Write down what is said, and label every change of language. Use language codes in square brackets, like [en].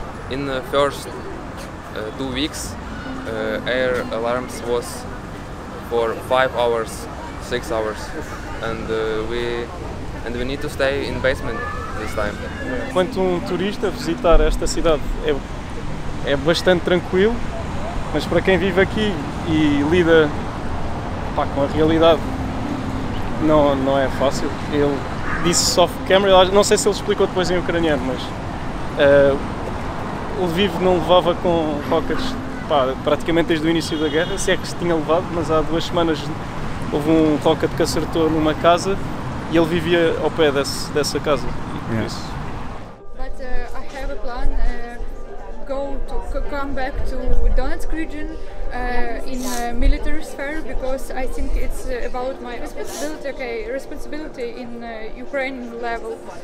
[en] In the first 2 weeks, air alarms was for 5 hours, 6 hours, and we need to stay in basement this time. [pt] Quanto um turista visitar esta cidade é bastante tranquilo, mas para quem vive aqui e lida pá, com a realidade não é fácil. Ele disse off camera, não sei se ele explicou depois em ucraniano, mas o Lviv não levava com rockets pá, praticamente desde o início da guerra, se é que se tinha levado, mas há 2 semanas houve um rocket que acertou numa casa e ele vivia ao pé dessa casa. Yeah. Isso. [en] But I have a plan come back to Donetsk region in a military sphere, because I think it's about my responsibility in Ukraine level.